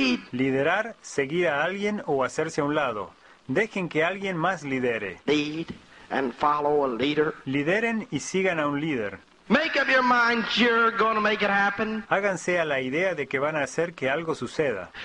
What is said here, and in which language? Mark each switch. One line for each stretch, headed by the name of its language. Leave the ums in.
Spanish: Liderar, seguir a alguien o hacerse a un lado. Dejen que alguien más lidere.
English: Lead and follow a leader.
Spanish: Lideren y sigan a un líder.
English: Make up your mind you're gonna make it happen.
Spanish: Háganse a la idea de que van a hacer que algo suceda.